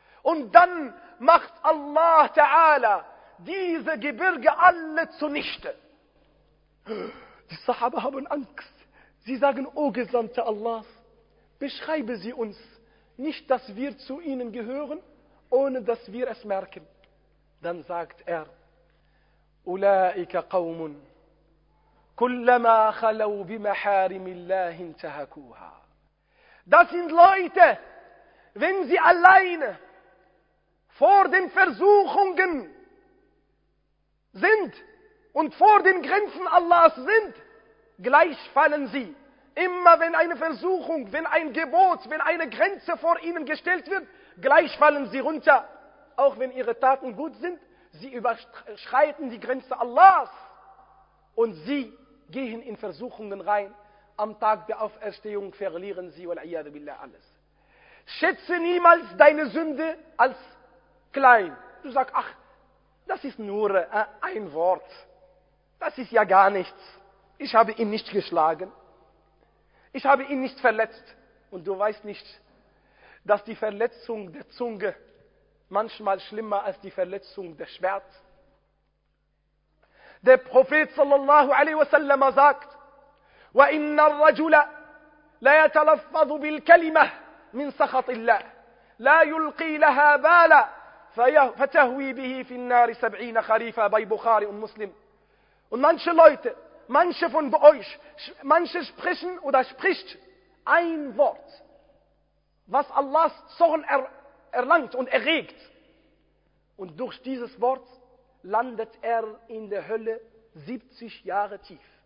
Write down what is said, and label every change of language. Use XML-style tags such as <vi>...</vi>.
<de>Und dann macht Allah Ta'ala diese Gebirge alle zunichte. Die Sahaba haben Angst. Sie sagen, O Gesandte Allahs, beschreibe sie uns. Nicht, dass wir zu ihnen gehören, ohne dass wir es merken. Dann sagt er,</de> <ar>أولئك قوم كلما خلوا بمحارم الله انتهكوها.</ar> <de>Das sind Leute, wenn sie alleine vor den Versuchungen sind und vor den Grenzen Allahs sind, gleich fallen sie. Immer wenn eine Versuchung, wenn ein Gebot, wenn eine Grenze vor ihnen gestellt wird, gleich fallen sie runter. Auch wenn ihre Taten gut sind, sie überschreiten die Grenze Allahs und sie gehen in Versuchungen rein. Am Tag der Auferstehung verlieren sie, wal'iyadu billah, alles. Schätze niemals deine Sünde als klein. Du sagst, ach, das ist nur ein Wort. Das ist ja gar nichts. Ich habe ihn nicht geschlagen. Ich habe ihn nicht verletzt. Und du weißt nicht, dass die Verletzung der Zunge manchmal schlimmer als die Verletzung des Schwerts. Der Prophet sallallahu alaihi wasallam sagt,</de> <ar>وَإِنَّ الرَّجُلَ لا يتلفظ بالكلمة من سخط الله، لا يلقي لها بالا فتهوي به في النار 70 خريفا، بي بخاري ومسلم.</ar> <de>Und manche Leute, manche von euch, manche sprechen oder spricht ein Wort, was Allahs Zorn erlangt und erregt. Und durch dieses Wort landet in der Hölle 70 Jahre tief.</de>